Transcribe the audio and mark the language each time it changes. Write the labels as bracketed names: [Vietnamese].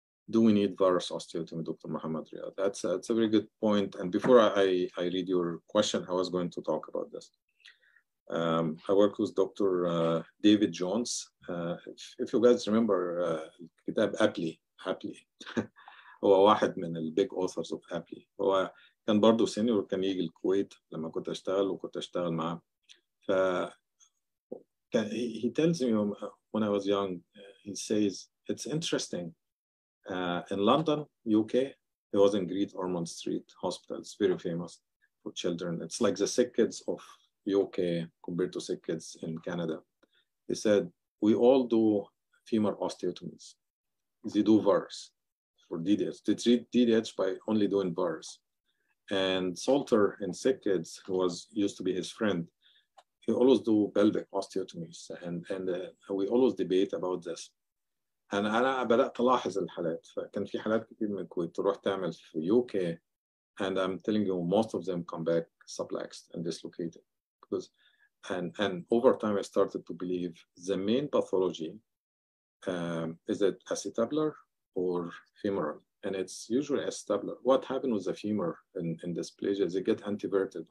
[English] Do we need varus osteotomy, Dr. Mohammad Riyad? That's a very good point. And before I read your question, I was going to talk about this. I work with Dr. David Jones. If you guys remember, [Arabic] كتاب أبلي, [English] Apley, [Arabic] هو واحد من [English] the big authors of Apley. [Arabic] هو كان برضو senior, كان يجي الكويت لما كنت أشتغل وكنت أشتغل معه. [English] He tells me when I was young, he says, it's interesting. In London, UK, it was in Great Ormond Street Hospital. It's very famous for children. It's like the sick kids of UK compared to sick kids in Canada. He said, we all do femur osteotomies. They do varus for DDH. They treat DDH by only doing varus. And Salter in sick kids, who was used to be his friend, he always do pelvic osteotomies. And we always debate about this. [Arabic] And أنا بدأت ألاحظ الحالات. كان في حالات كتير من الكويت تروح تعمل في UK. [English] And I'm telling you, most of them come back subluxed and dislocated. Because and over time, I started to believe the main pathology is it acetabular or femoral? And it's usually acetabular. What happened with the femur in dysplasia? They get antiverted.